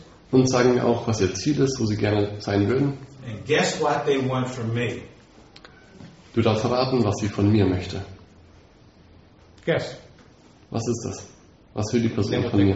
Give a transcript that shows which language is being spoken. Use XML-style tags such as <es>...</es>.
<de>Und sagen mir auch, was ihr Ziel ist, wo sie gerne sein würden.</de> <en>And guess what they want from me.</en> <de>Du darfst erraten, was sie von mir möchte.</de> <en>Guess.</en> <de>Was ist das? Was will die Person von mir?</de>